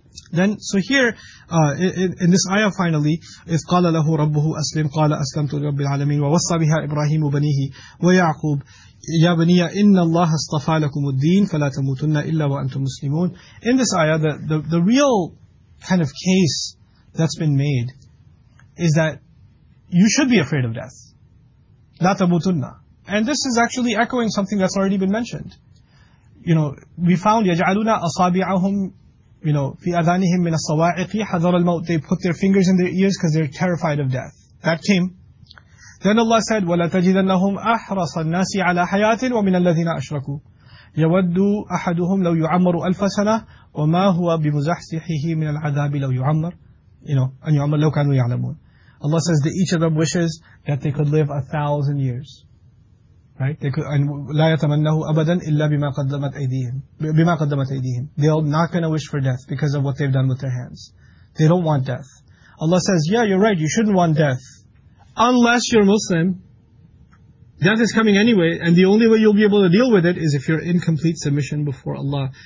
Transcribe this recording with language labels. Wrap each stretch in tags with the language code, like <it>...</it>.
<en>Then, so here, in this ayah finally,</en> <ar>إِذْ قَالَ لَهُ رَبُّهُ أَسْلِمْ قَالَ أَسْلَمْتُ لِرَبِّ الْعَالَمِينَ وَوَصَّى بِهَا إِبْرَاهِيمُ بَنِيهِ وَيَعْقُوبُ يَا بَنِيَّ إِنَّ اللَّهَ اصْطَفَى لَكُمُ الدِّينَ فَلَا تَمُوتُنَّ إِلَّا وَأَنْتُمْ مُسْلِمُونَ</ar> <en>In this ayah, the real kind of case that's been made is that you should be afraid of death.</en> <ar>لَا تَمُوتُنَّ</ar> <en>And this is actually echoing something that's already been mentioned. You know, we found</en> <ar>يَجْعَلُونَ أَصَابِعَهُمْ</ar> <en>You know,</en> <ar>فِي أَذَانِهِمْ مِنَ الصَّوَاعِقِ حَذَرَ الْمَوْتِ</ar> <en>They put their fingers in their ears because they're terrified of death. That came. Then Allah said,</en> <ar>وَلَتَجِدَنَّهُمْ أَحْرَصَ النَّاسِ عَلَىٰ حَيَاةٍ وَمِنَ الَّذِينَ أَشْرَكُوا يَوَدُّ أَحَدُهُمْ لَوْ يُعَمَّرُ أَلْفَ سَنَةٍ وَمَا هُوَ بِمُزَحْزِحِهِ مِنَ الْعَذَابِ لَوْ يُعَمَّرُ</ar> <en>You know,</en> <ar>أَنْ يُعَمَّرُ لَوْ كَانُوا يَعْلَمُونَ</ar> <en>Allah says that each of them wishes that they could live 1,000 years. Right? They could, and</en> <ar>لَا يَتَمَنَّهُ أَبَدًا إِلَّا بِمَا قَدَّمَتْ أَيْدِيهِمْ</ar> <en>They're not going to wish for death because of what they've done with their hands. They don't want death. Allah says, yeah, you're right, you shouldn't want death. Unless you're Muslim, death is coming anyway, and the only way you'll be able to deal with it is if you're in complete submission before Allah.</en>